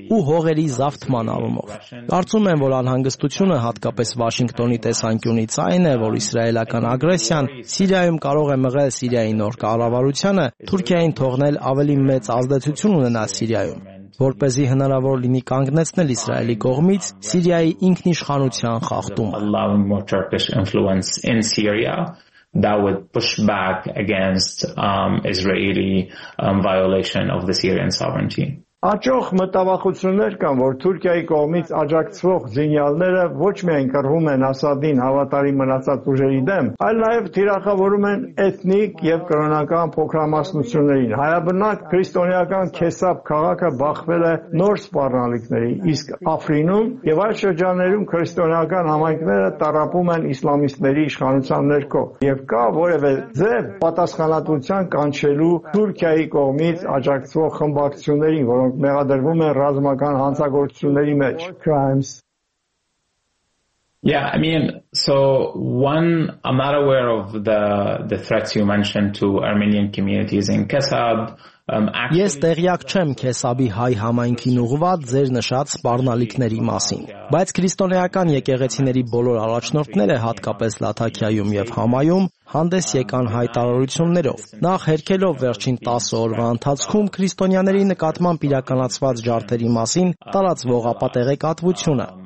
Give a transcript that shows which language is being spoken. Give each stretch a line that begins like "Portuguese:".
Armenian: ու հողերի զավթման առումով։ Կարծում եմ, որ անհանգստությունը հատկապես Վաշինգտոնի տեսանկյունից այն է, որ իսրայելական ագրեսիան Սիրիայում կարող է մղել Սիրիայի նոր կառավարությունը, Թուրքիային թողնել ավելի մեծ ազդեցություն ունենալ Սիրիայում, որպեսզի հնարավոր լինի կանգնեցնել Իսրայելի կողմից Սիրիայի ինքնիշխանության խախտումը։
English: That would push back against Israeli violation of the Syrian sovereignty.
Armenian: Աճող մտավախություններ կան, որ Թուրքիայի կողմից աջակցվող զինյալները ոչ միայն կռվում են Ասադին հավատարի մնացած ուժերի դեմ, այլ նաև թիրախավորում են էթնիկ և կրոնական փոքրամասնություններին։ Հայաբնակ քրիստոնեական Քեսապ քաղաքը բախվել է նոր սպառնալիքների, իսկ Աֆրինում և այլ շրջաններում քրիստոնեական համայնքները տարապում են իսլամիստների իշխանության ներքո, և կա որևէ ձև պատասխանատվության կանչելու Թուրքիայի կողմից աջակցվող խմբակցություններին, որոնք մեղադրվում են ռազմական հանցագործությունների մեջ։
English: Yeah, I mean, so one, I'm not aware of the threats you mentioned to Armenian communities in Kesab.
Armenian: Ես տեղյակ չեմ Քեսաբի հայ համայնքին ուղված ձեր նշած սպառնալիքների մասին, բայց քրիստոնեական եկեղեցիների բոլոր առաջնորդները, հատկապես Լաթաքիայում եւ Համայում, հանդես եկան հայտարարություններով, նախ հերքելով վերջին 10 օրվա ընթացքում քրիստոնյաների նկատմամբ իրականացված ջարդերի մասին տարածվող ապատեղեկատվությունը։